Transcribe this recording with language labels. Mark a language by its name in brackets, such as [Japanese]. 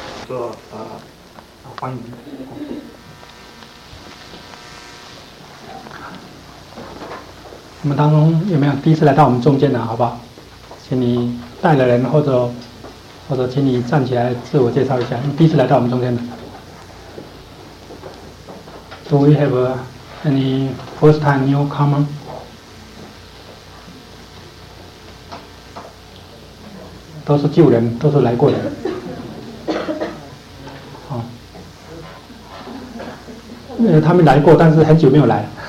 [Chinese] 说啊，欢迎。我们当中有没有第一次来到我们中间的？好不好？请你带了人，或者请你站起来自我介绍一下。你第一次来到我们中间的 ？ [English] Do we have any first-time newcomer? Those are [Chinese] 旧人，都是来过的。好，他们来过，但是很久没有来。